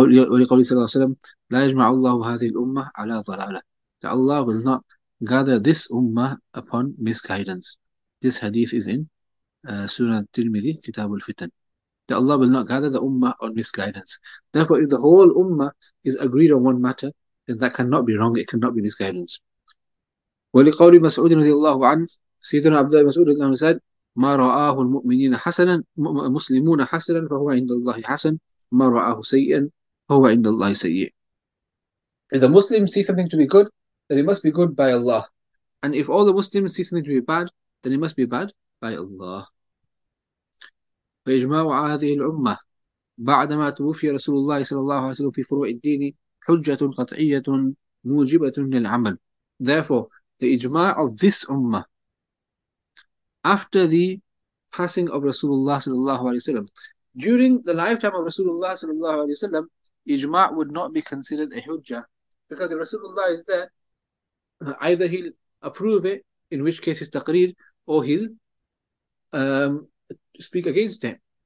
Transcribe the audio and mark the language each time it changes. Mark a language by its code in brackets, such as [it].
[en] That Allah will not gather this ummah upon misguidance. This hadith is in Surah Tirmidhi, Kitab al-Fitan. That Allah will not gather the ummah on misguidance. Therefore, if the whole ummah is agreed on one matter, then that cannot be wrong, it cannot be misguidance. [ar] ولقول مسعود رضي الله عنه سيدنا عبد الله مسعود رضي الله عنه [en] said, [ar] ما رآه المؤمنين حسنا مسلمون حسنا فهو عند الله حسن ما رآه سيئا فهو عند الله سيئ. [en] If the Muslims see something to be good, then it must be good by Allah. And if all the Muslims see something to be bad, then it must be bad by Allah. [ar] فإجماع هذه الأمة بعدما توفي رسول الله صلى الله عليه وسلم في فروع الدين حجة قطعية موجبة للعمل. [en] Therefore, the ijma of this ummah, after the passing of Rasulullah sallallahu alaihi wasallam, during the lifetime of Rasulullah sallallahu alaihi wasallam, ijma would not be considered a hujjah, because if Rasulullah is there, either he'll approve it, in which case it's taqreer, or he'll speak against it.